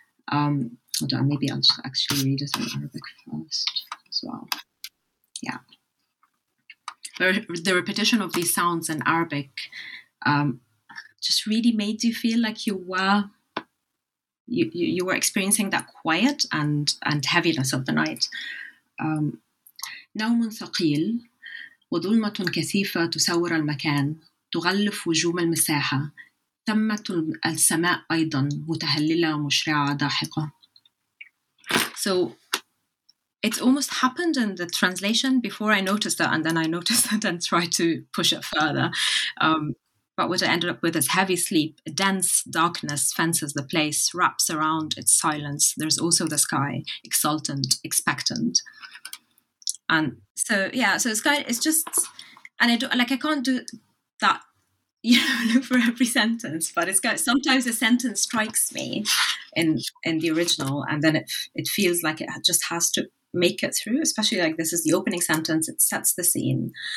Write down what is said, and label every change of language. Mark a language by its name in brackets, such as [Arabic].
[English] Hold on, maybe I'll just actually read it in Arabic first as well. The repetition of these sounds in Arabic just really made you feel like you were experiencing that quiet and heaviness of the night. [Arabic] نوم ثقيل وظلمة كثيفة تسور المكان تغلف وجوم المساحة تمت السماء أيضا متهللة مشرعة داحقة. [English] So it almost happened in the translation before I noticed that, and then I noticed it and tried to push it further. But what I ended up with is heavy sleep, a dense darkness fences the place, wraps around its silence. There's also the sky, exultant, expectant. And so, yeah, so I can't do that, for every sentence, but sometimes a sentence strikes me in the original, and then it feels like it just has to make it through, especially this is the opening sentence, it sets the scene.